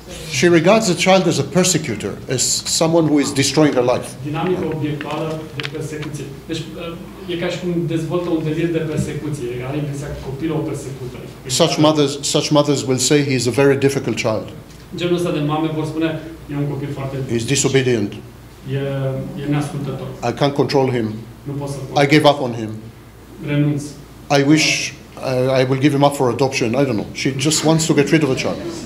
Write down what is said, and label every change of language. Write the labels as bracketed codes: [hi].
[en] She regards the child as a persecutor, as someone who is destroying her life. [ro] Dinamică obiectuală de persecuție. Deci e ca și cum dezvoltă un delir de persecuție. Are impresia că copilul o persecută. [en] Such mothers will say he is a very difficult child. [ro] Genul ăsta de mame vor spune, e un copil foarte dificil. [en] He's disobedient. [ro] E neascultător. [en] I can't control him. [ro] Nu pot să-l [en] control. I gave up on him. [ro] Renunț. [en] I wish I will give him up for adoption. I don't know. She just wants to get rid of the child.